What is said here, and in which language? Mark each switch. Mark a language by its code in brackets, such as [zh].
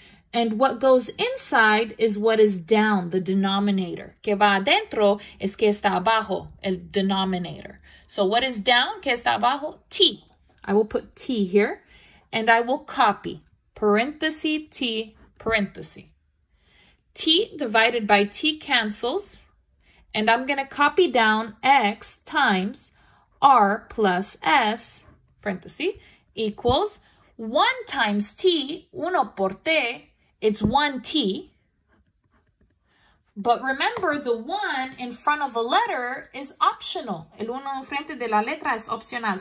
[en] And what goes inside is what is down, the denominator. [es] Que va adentro es que está abajo, el denominator. [en] So what is down, [es] que está abajo? [en] T. I will put T here. And I will copy parentheses T parentheses. T divided by T cancels. And I'm going to copy down x times r plus s, parenthesis, equals 1 times t, [es] uno por t, [en] it's 1t. But remember, the 1 in front of a letter is optional. [es] El uno en frente de la letra es opcional.